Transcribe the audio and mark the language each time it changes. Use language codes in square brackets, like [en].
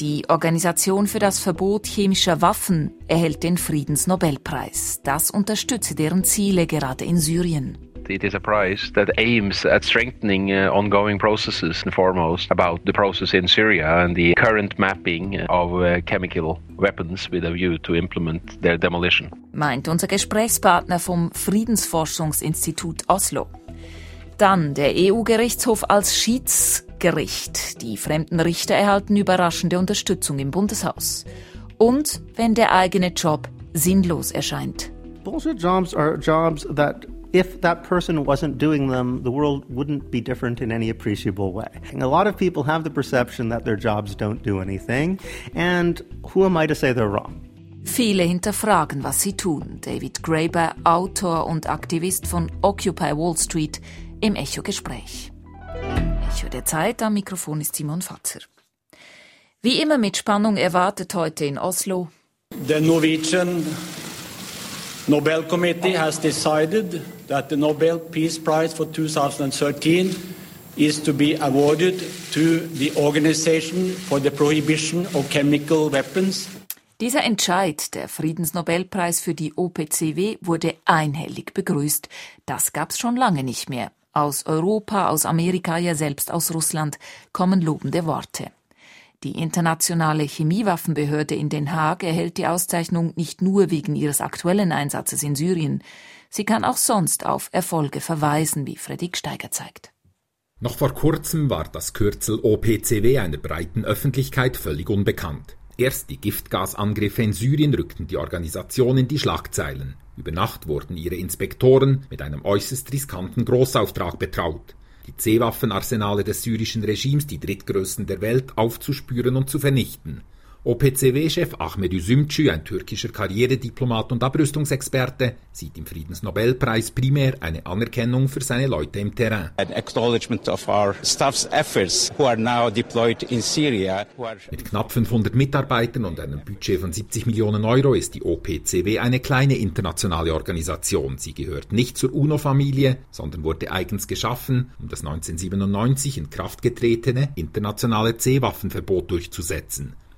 [de] Die Organisation für das Verbot chemischer Waffen erhält den Friedensnobelpreis. Das unterstütze deren Ziele gerade in Syrien. [en] It is a prize that aims at strengthening ongoing processes and foremost about the process in Syria and the current mapping of chemical weapons with a view to implement their demolition. [de] Meint unser Gesprächspartner vom Friedensforschungsinstitut Oslo. Dann der EU-Gerichtshof als Schiedsgericht. Die fremden Richter erhalten überraschende Unterstützung im Bundeshaus. Und wenn der eigene Job sinnlos erscheint. [en] Bullshit jobs are jobs that if that person wasn't doing them, the world wouldn't be different in any appreciable way. And a lot of people have the perception that their jobs don't do anything. And who am I to say they're wrong? [de] Viele hinterfragen, was sie tun. David Graeber, Autor und Aktivist von Occupy Wall Street, im Echo-Gespräch. Echo der Zeit, am Mikrofon ist Simon Fatzer. Wie immer mit Spannung erwartet heute in Oslo. [en] The Norwegian Nobel Committee has decided that the Nobel Peace Prize for 2013 is to be awarded to the Organization for the Prohibition of Chemical Weapons. [de] Dieser Entscheid, der Friedensnobelpreis für die OPCW, wurde einhellig begrüßt. Das gab's schon lange nicht mehr. Aus Europa, aus Amerika, ja selbst aus Russland kommen lobende Worte. Die internationale Chemiewaffenbehörde in Den Haag erhält die Auszeichnung nicht nur wegen ihres aktuellen Einsatzes in Syrien. Sie kann auch sonst auf Erfolge verweisen, wie Fredrik Steiger zeigt. Noch vor kurzem war das Kürzel OPCW einer breiten Öffentlichkeit völlig unbekannt. Erst die Giftgasangriffe in Syrien rückten die Organisation in die Schlagzeilen. Über Nacht wurden ihre Inspektoren mit einem äußerst riskanten Großauftrag betraut. Die C-Waffenarsenale des syrischen Regimes, die drittgrößten der Welt, aufzuspüren und zu vernichten. OPCW-Chef Ahmet Üzümcü, ein türkischer Karrierediplomat und Abrüstungsexperte, sieht im Friedensnobelpreis primär eine Anerkennung für seine Leute im Terrain. [en] An acknowledgement of our staff's efforts who are now deployed in Syria. [de] Mit knapp 500 Mitarbeitern und einem Budget von 70 Millionen Euro ist die OPCW eine kleine internationale Organisation. Sie gehört nicht zur UNO-Familie, sondern wurde eigens geschaffen, um das 1997 in Kraft getretene internationale C-Waffenverbot durchzusetzen.